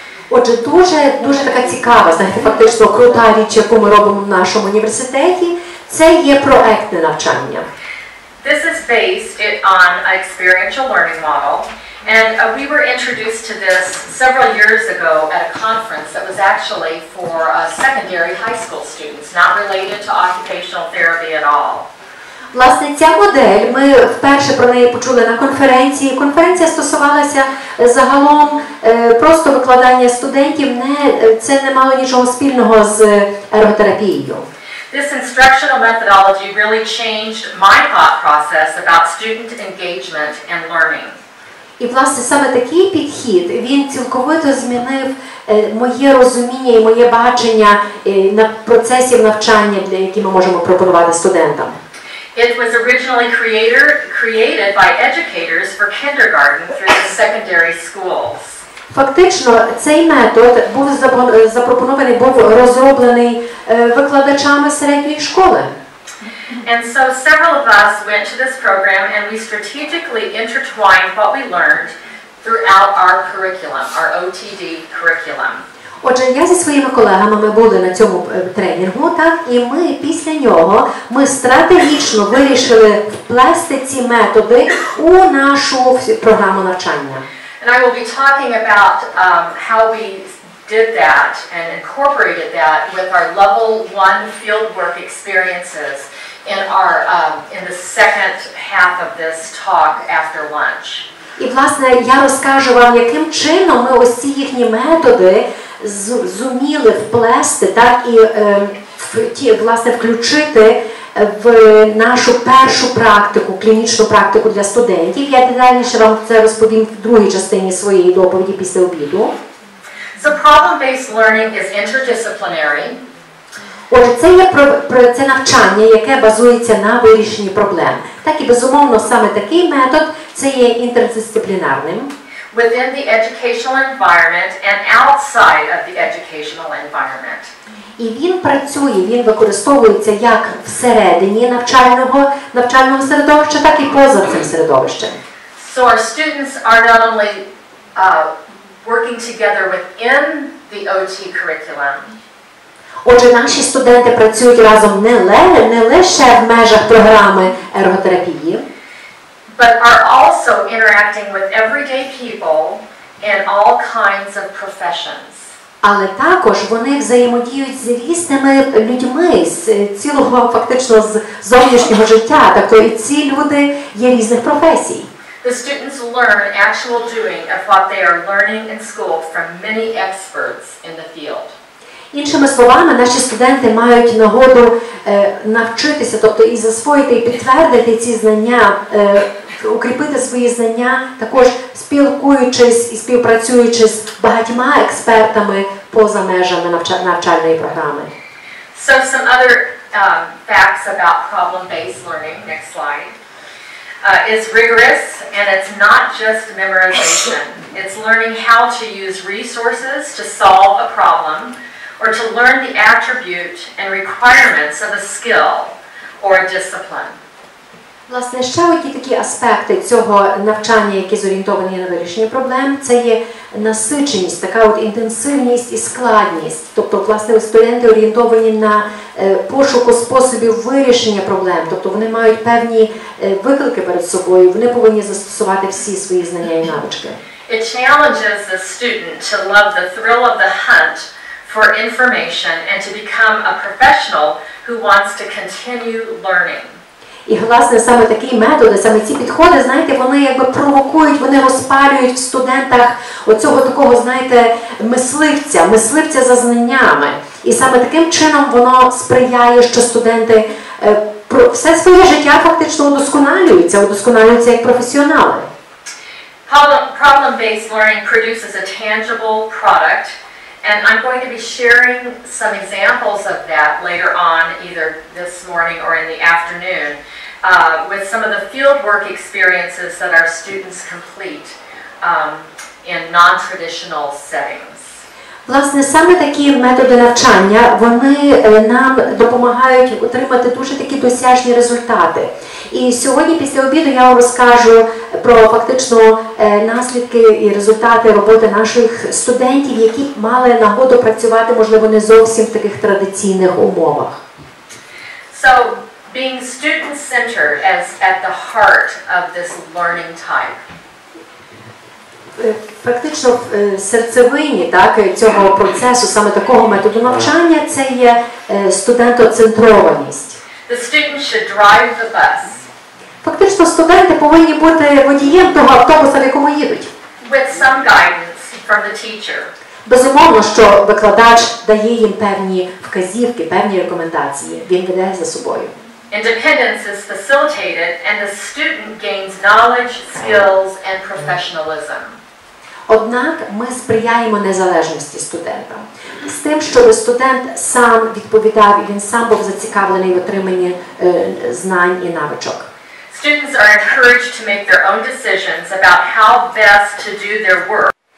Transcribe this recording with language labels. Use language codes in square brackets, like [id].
[uk] Отже, дуже така цікава, знаєте, фактично крута річ, яку ми робимо в нашому університеті, це є проектне навчання. [en] This is based on an experiential learning model, and we were introduced to this several years ago at a conference that was actually for secondary high school students, not related to occupational therapy at all. [uk] Власне, ця модель, ми вперше про неї почули на конференції. Конференція стосувалася загалом просто викладання студентів, це не мало нічого спільного з ерготерапією. [en] This instructional methodology really changed my thought process about student engagement and learning. [uk] І, власне, саме такий підхід, він цілковито змінив моє розуміння і моє бачення на процесів навчання, для яких ми можемо пропонувати студентам. [en] It was originally created by educators for kindergarten through the secondary schools. [uk] Фактично, цей метод був запропонований, був розроблений викладачами середньої школи. [en] And so several of us went to this program and we strategically intertwined what we learned throughout our curriculum, our OTD curriculum. [uk] Отже, я зі своїми колегами, ми були на цьому тренінгу, так, і ми після нього, ми стратегічно вирішили вплести ці методи у нашу програму навчання. [en] And I will be talking about how we did that and incorporated that with our level 1 fieldwork experiences in our in the second half of this talk after lunch. [uk] І, власне, я розкажу вам, яким чином ми ось ці їхні методи зуміли вплести, так, і власне, включити в нашу першу практику, клінічну практику для студентів. Я детальніше вам це розповім в другій частині своєї доповіді після обіду. [en] So problem-based learning is interdisciplinary. [uk] Отже, це є це навчання, яке базується на вирішенні проблем. Так і безумовно, саме такий метод це є інтердисциплінарним. [en] Within the educational environment and outside of the educational environment. [uk] І він працює, він використовується як всередині навчального середовища, так і поза цим середовищем. [en] So our students are not only working together within the OT curriculum. [uk] Отже, наші студенти працюють разом не лише в межах програми ерготерапії, [en] but are also interacting with everyday people in all kinds of professions. [uk] Але також вони взаємодіють з різними людьми з цілого фактично з зовнішнього життя, так і ці люди є різних професій. [en] The students learn actual doing of what they are learning in school from many experts in the field. [uk] Іншими словами, наші студенти мають нагоду навчитися, тобто і засвоїти, і підтвердити ці знання, укріпити свої знання, також спілкуючись і співпрацюючи з багатьма експертами поза межами навчальної програми. [en] So some other facts about problem-based learning, next slide, is rigorous and it's not just memorization. It's learning how to use resources to solve a problem or to learn the attribute and requirements of a skill or a discipline. [uk] Власне, ще ті такі аспекти цього навчання, які зорієнтовані на вирішення проблем, це є насиченість, така от інтенсивність і складність. Тобто, власне, студенти орієнтовані на пошуку способів вирішення проблем. Тобто, вони мають певні виклики перед собою, вони повинні застосувати всі свої знання і навички. [en] It challenges the student to love the thrill of the hunt for information and to become a professional who wants to continue learning. [uk] І, власне, саме такі методи, саме ці підходи, знаєте, вони якби провокують, вони розпалюють в студентах оцього такого, знаєте, мисливця, мисливця за знаннями. І саме таким чином воно сприяє, що студенти все своє життя фактично удосконалюються як професіонали. [en] Problem-based learning produces a tangible product, and I'm going to be sharing some examples of that later on, either this morning or in the afternoon. With some of the fieldwork experiences that our students complete in non-traditional settings. [uk] Власне, саме такі методи навчання, вони нам допомагають отримати дуже такі досяжні результати. І сьогодні після обіду я вам розкажу про фактично наслідки і результати роботи наших студентів, які мали нагоду працювати, можливо, не зовсім в таких традиційних умовах. [en] So, being student-centered as at the heart of this learning type. [uk] Фактично в серцевині, так, цього процесу, саме такого методу навчання, це є студентоцентрованість. [en] The student should drive the bus. [uk] Фактично студенти повинні бути водієм того автобуса, в якому їдуть. [en] With some guidance from the teacher. [uk] Безумовно, що викладач дає їм певні вказівки, певні рекомендації. Він веде за собою. [en] Independence is facilitated and the student gains knowledge, skills and professionalism. [uk] Однак ми сприяємо незалежності студента. З тим, щоб студент сам відповідав і він сам був зацікавлений в отриманні знань і навичок. [en] Students are encouraged to make their own decisions about how best to do their work.